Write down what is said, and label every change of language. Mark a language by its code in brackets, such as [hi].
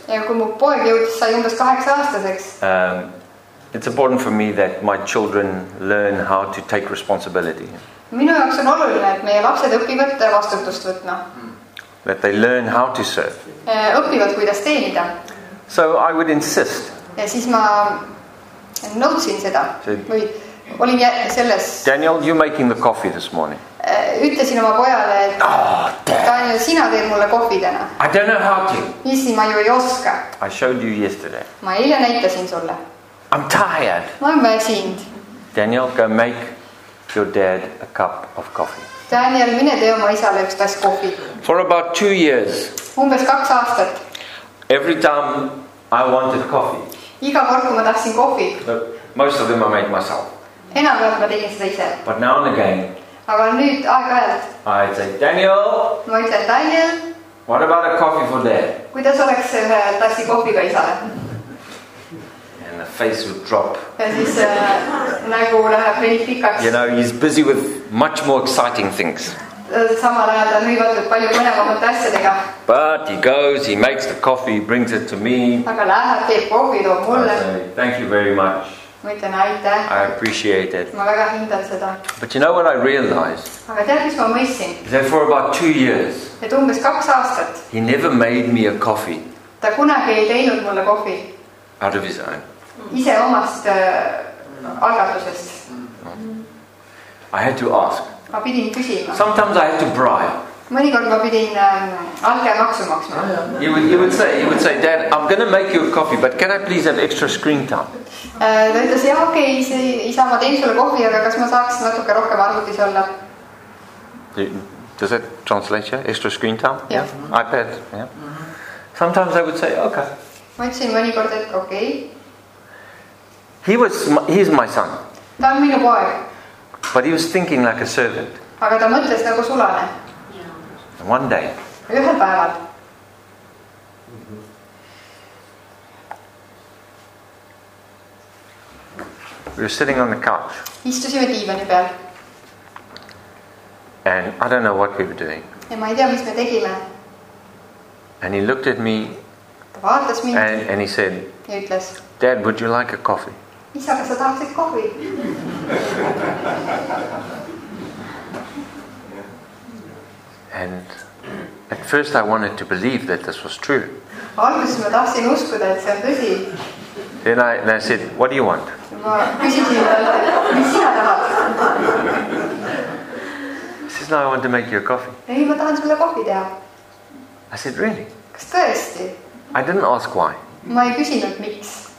[et] Ja kui mu poeg jõudis, sai umbes 8-aastaseks. [en] It's important for me that my children learn how to take responsibility. [et] Minu jaoks on oluline, et meie lapsed õpivad vastutust võtna. [en] That they learn how to serve. [et] Õpivad, kuidas teenida. [en] So I would insist. [et] Ja siis ma nõudsin seda. Või olin selles. [en] Daniel, you're making the coffee this morning. [et] Ütlesin oma pojale, et Daniel, sina teed mulle kohvi täna. [en] I don't know how to. [et] Isi, ma ju ei oska. [en] I showed you yesterday. [et] Ma eile näitasin sulle. [en] I'm tired. [et] Ma olen väsinud. [en] Daniel, go make your dad a cup of coffee. [et] Daniel, mine tee oma isale üks tass kohvi. [en] For about 2 years. [et] Umbes 2 aastat. [en] Every time I wanted coffee. [et] Iga kord, kui ma tahtsin kohvi. [en] Most of them I made myself. [et] Enam kord ma tegin seda ise. [en] But now and again. [et] Aga nüüd aega ajalt. [en] I said, Daniel. [et] Ma ütlen, Daniel. [en] What about a coffee for dad? [et] Kuidas oleks see tassi kohviga isale? [en] And the face would drop. [et] Ja siis nägu läheb veel pikaks. [en] You know, he's busy with much more exciting things. [et] Samal ajal ta nüüdatud palju põnevamate asjadega. [en] But he goes, he makes the coffee, brings it to me. [et] Aga läheb, teeb kohvi, toob mulle. [en] Thank you very much. [et] Mõtlen, aitäh. [en] I appreciate it. [et] Ma väga hindan seda. [en] But you know what I realized? [et] Aga tead, mis ma mõissin? [en] Is that for about 2 years? [et] Et umbes 2 aastat. [en] He never made me a coffee. [et] Ta kunagi ei teinud mulle kohvi. [en] Out of his own. [et] Ise omast algatusest. [en] I had to ask. [et] Ma pidin küsima. [en] Sometimes I had to bribe. [et] Mõnikord ma pidin alge maksu maksma. [en] You would say, Dad, I'm going to make you a coffee, but can I please have extra screen time? [et] Ta ütles, jah, okei, isa, ma teen sulle kohvi, aga kas ma saaks natuke rohkem arvutis olla? [en] Does that translate, yeah? Extra screen time? Yeah. iPad, yeah. Sometimes I would say, okay. [et] Ma ütlesin mõnikord, et okei. [en] He's my son. [et] Ta on minu poeg. [en] But he was thinking like a servant. [et] Aga ta mõtles nagu sulane. [en] One day. [et] Ühel päeval. [en] We were sitting on the couch. [et] Istusime diivani peal. [en] And I don't know what we were doing. [et] Ja ma ei tea, mis me tegime. [en] And he looked at me. [et] Ta vaatas mind. [en] And he said. [et] Ja ütles. [en] Dad, would you like a coffee? [et] Isa, kas sa tahaksid kohvi? [en] And at first I wanted to believe that this was true. [et] Alguses ma tahtsin uskuda, et see on tõsi. [en] Then I said, what do you want? [et] Ma küsisin, mis sina tahad? [en] He says, no, I want to make you a coffee. [et] Ei, ma tahan sulle kohvi teha. [en] I said, really? [et] Kas tõesti? [en] I didn't ask why. [et] Ma ei küsinud, miks.